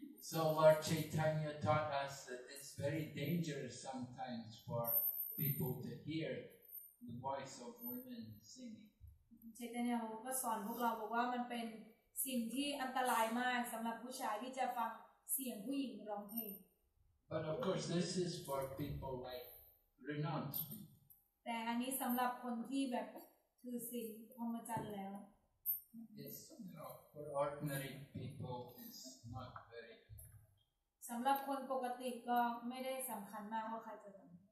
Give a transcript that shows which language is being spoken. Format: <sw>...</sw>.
<en>So Lord Chaitanya taught us that it's very dangerous sometimes for people to hear the voice of women singing.</en> <th>Chaitanya ก็สอนพวกเราบอกว่ามันเป็นสิ่งที่อันตรายมากสำหรับผู้ชายที่จะฟังเสียงผู้หญิงร้องเพลง</th> <en>But of course, this is for people like renounced people.</en> <th>แต่อันนี้สำหรับคนที่แบบถือศีลพรหมจรรย์แล้ว</th> <en>Yes, you know, for ordinary people is not very</en> <th>สำหรับคนปกติก็ไม่ได้สำคัญมากว่าใครจะทำ</th>